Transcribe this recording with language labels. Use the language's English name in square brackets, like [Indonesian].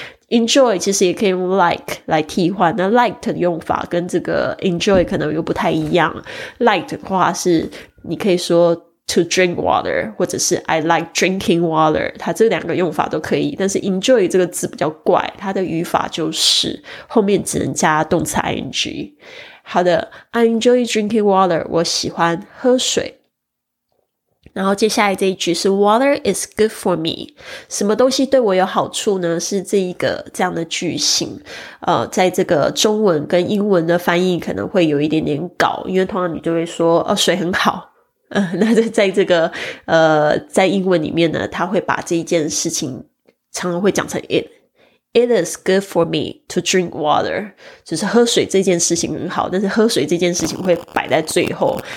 [Chinese] enjoy 其实也可以用 like 来替换，那 like 的用法跟这个 enjoy 可能又不太一样。 like 的话是你可以说 [English] to drink water [Chinese] 或者是 [English] I like drinking water， [Chinese] 它这两个用法都可以，但是 enjoy 这个字比较怪，它的语法就是后面只能加动词 ing。好的， [English] I enjoy drinking water， [Chinese] 我喜欢喝水。然后接下来这一句是 [English] water is good for me， [Chinese] 什么东西对我有好处呢，是这一个这样的句型。在这个中文跟英文的翻译可能会有一点点搞，因为通常你就会说水很好。那在这个在英文里面呢，他会把这一件事情常常会讲成 [English] It is good for me to drink water， [Chinese] 就是喝水这件事情很好，但是喝水这件事情会摆在最后。